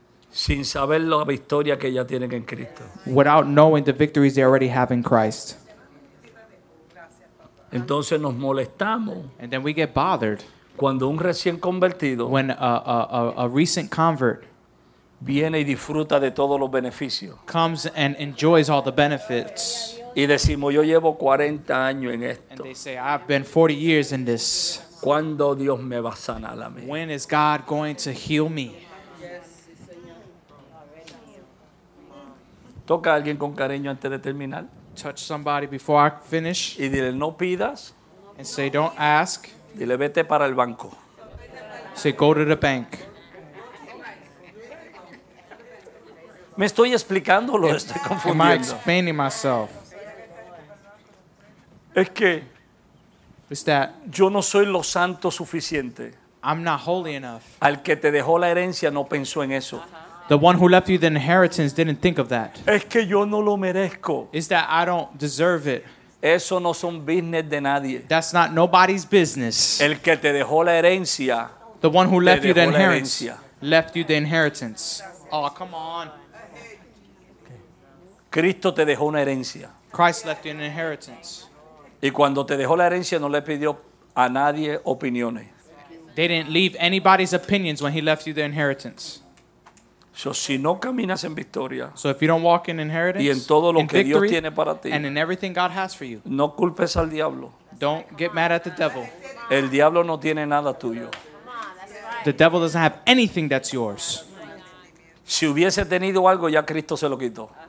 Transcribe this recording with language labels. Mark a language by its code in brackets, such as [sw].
[es] Sin saber la victoria que ya tienen en Cristo. [en] Without knowing the victories they already have in Christ. [es] Entonces nos molestamos. [en] And then we get bothered. [es] Cuando un recién convertido, [en] when a recent convert, [es] viene y disfruta de todos los beneficios, [en] comes and enjoys all the benefits. [es] Y decimos, yo llevo 40 años en esto. [en] And they say, I've been 40 years in this. [es] ¿Cuándo Dios me va a sanar a mí? [en] When is God going to heal me? [es] Toca a alguien con cariño antes de terminar. [en] Touch somebody before I finish. [es] Y dile, no pidas. [en] And say, don't ask. [es] Dile, vete para el banco. [en] Say, go to the bank. [es] Me estoy explicando, lo estoy confundiendo. [en] Am I explaining myself? [es] Es que, [en] it's that [es] yo no soy lo santo suficiente. [en] I'm not holy enough. [es] Al que te dejó la herencia no pensó en eso. [en] The one who left you the inheritance didn't think of that. [es] Es que yo no lo merezco. [en] It's that I don't deserve it. [es] Eso no son business de nadie. [en] That's not nobody's business. [es] El que te dejó la herencia, [en] the one who left you the inheritance, left you the inheritance. Oh, come on. [es] Cristo te dejó una herencia. [en] Christ left you an inheritance. [es] Y cuando te dejó la herencia, no le pidió a nadie opiniones. [en] They didn't leave anybody's opinions when he left you the inheritance. [es] So, si no caminas en victoria, [en] so if you don't walk in inheritance, [es] y en todo lo que Dios tiene para ti, [en] and in everything God has for you, [es] no culpes al diablo. [en] Don't get mad at the devil. [es] El diablo no tiene nada tuyo. [en] The devil doesn't have anything that's yours. [es] Si hubiese tenido algo, ya Cristo se lo quitó.